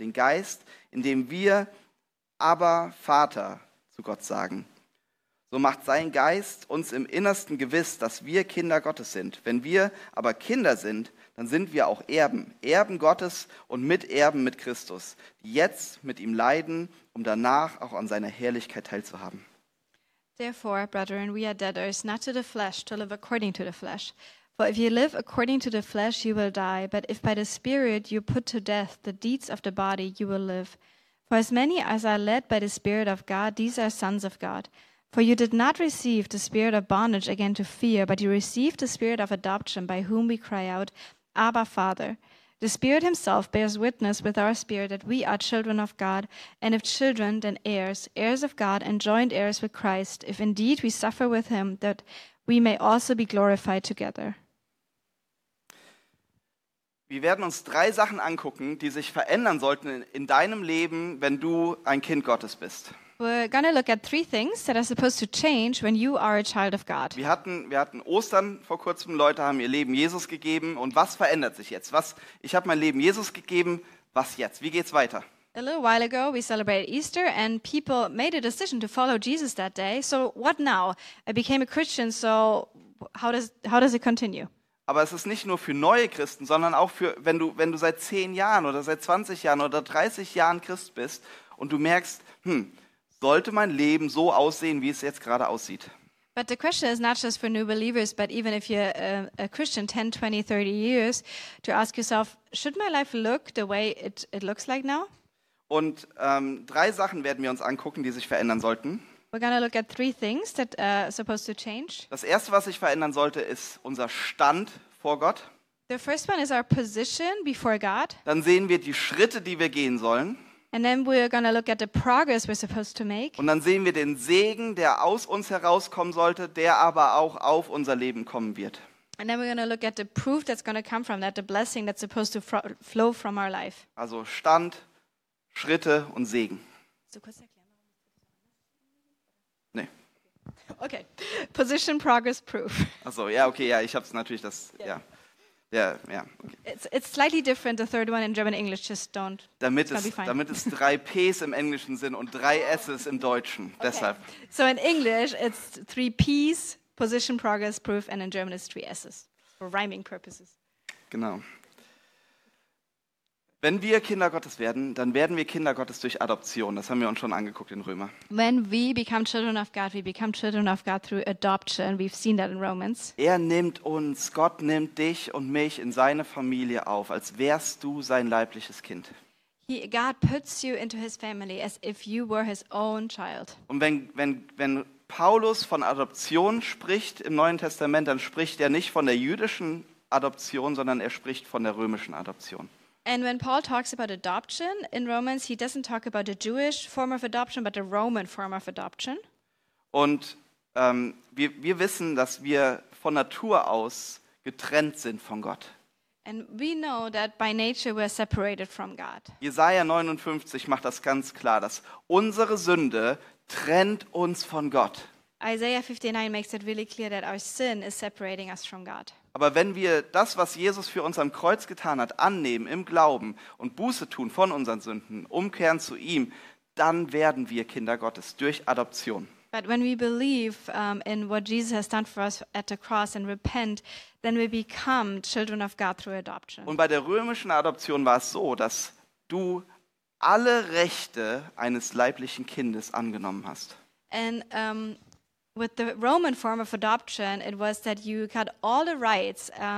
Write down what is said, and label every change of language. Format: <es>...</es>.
<de>Den Geist, in dem wir aber Vater zu Gott sagen. So macht sein Geist uns im Innersten gewiss, dass wir Kinder Gottes sind. Wenn wir aber Kinder sind, dann sind wir auch Erben, Erben Gottes und Miterben mit Christus, die jetzt mit ihm leiden, um danach auch an seiner Herrlichkeit teilzuhaben.</de> <en>Therefore, brethren, we are debtors not to the flesh, to live according to the flesh. For if you live according to the flesh, you will die. But if by the Spirit you put to death the deeds of the body, you will live. For as many as are led by the Spirit of God, these are sons of God. For you did not receive the spirit of bondage again to fear, but you received the spirit of adoption, by whom we cry out, Abba, Father. The Spirit himself bears witness with our spirit that we are children of God, and if children, then heirs, heirs of God, and joint heirs with Christ, if indeed we suffer with him, that we may also be glorified together.</en> <de>Wir werden uns 3 Sachen angucken, die sich verändern sollten in deinem Leben, wenn du ein Kind Gottes bist.</de> <en>We're going to look at 3 things that are supposed to change when you are a child of God.</en> <de>Wir hatten Ostern vor kurzem, Leute haben ihr Leben Jesus gegeben und was verändert sich jetzt? Ich habe mein Leben Jesus gegeben, was jetzt? Wie geht's weiter?</de> <en>A little while ago we celebrated Easter and people made a decision to follow Jesus that day. So what now? I became a Christian, so how does it continue?</en> <de>Aber es ist nicht nur für neue Christen, sondern auch für wenn du seit 10 Jahren oder seit 20 Jahren oder 30 Jahren Christ bist und du merkst, sollte mein Leben so aussehen, wie es jetzt gerade aussieht?</de> <en>But the question is not just for new believers, but even if you're a Christian 10, 20, 30 years, to ask yourself, should my life look the way it looks like now?</en> <de>Und drei Sachen werden wir uns angucken, die sich verändern sollten.</de> <en>We're gonna look at three things that are supposed to change.</en> <de>Das erste, was sich verändern sollte, ist unser Stand vor Gott.</de> <en>The first one is our position before God.</en> <de>Dann sehen wir die Schritte, die wir gehen sollen.</de> <en>And then we're gonna look at the progress we're supposed to make.</en> <de>Und dann sehen wir den Segen, der aus uns herauskommen sollte, der aber auch auf unser Leben kommen wird.</de> <en>And then we're gonna look at the proof that's gonna come from that, the blessing that's supposed to flow from our life.</en> <de>Also Stand, Schritte und Segen. So kurz erklären. Nee.</de> <en>Okay. Position, progress, proof. Also ja, okay, ja, ich hab's natürlich das, yeah. Ja. Ja, yeah, ja. Yeah, okay. It's slightly different, the third one in German English, just don't.</en> <de>Damit es drei P's im Englischen sind und drei S's im Deutschen, okay. Deshalb.</de> <en>So in English, it's three P's, position, progress, proof, and in German it's three S's, for rhyming purposes.</en> <de>Genau. Wenn wir Kinder Gottes werden, dann werden wir Kinder Gottes durch Adoption. Das haben wir uns schon angeguckt in Römer.</de> <en>When we become children of God, we become children of God through adoption. We've seen that in Romans.</en> <de>Er nimmt uns, Gott nimmt dich und mich in seine Familie auf, als wärst du sein leibliches Kind.</de> <en>God puts you into his family as if you were his own child.</en> <de>Und wenn Paulus von Adoption spricht im Neuen Testament, dann spricht er nicht von der jüdischen Adoption, sondern er spricht von der römischen Adoption.</de> <en>And when Paul talks about adoption in Romans, he doesn't talk about the Jewish form of adoption, but the Roman form of adoption.</en> <de>Und wir wissen, dass wir von Natur aus getrennt sind von Gott.</de> <en>And we know that by nature we're separated from God.</en> <de>Jesaja 59 macht das ganz klar, dass unsere Sünde trennt uns von Gott.</de> <en>Isaiah 59 makes it really clear that our sin is separating us from God.</en> <de>Aber wenn wir das, was Jesus für uns am Kreuz getan hat, annehmen im Glauben und Buße tun von unseren Sünden, umkehren zu ihm, dann werden wir Kinder Gottes durch Adoption.</de> <en>But when we believe in what Jesus has done for us at the cross and repent, then we become children of God through adoption.</en> <de>Und bei der römischen Adoption war es so, dass du alle Rechte eines leiblichen Kindes angenommen hast.</de> <en>And with the Roman form of adoption, it was that you got all the rights,</en>